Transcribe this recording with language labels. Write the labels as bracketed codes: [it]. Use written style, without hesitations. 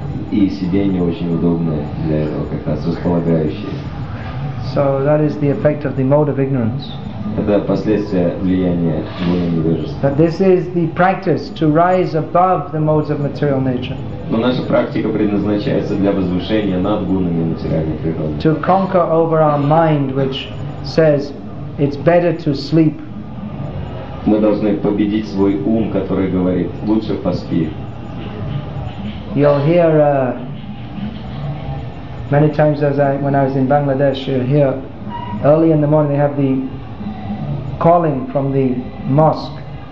[ru] И сиденье очень удобное для этого, как раз располагающее. [en] So that is the effect of the mode of ignorance. [ru] Это последствия влияния воли невежества. [en] That this is the practice to rise above the modes of material nature. [ru] Но наша практика предназначается для возвышения над гунами материальной природы. [en] To conquer over our mind, which says it's better to sleep. [ru] Мы должны победить свой ум, который говорит, лучше поспи. [en] You'll hear many times when I was in Bangladesh, you'll hear early in the morning they have the calling from the mosque.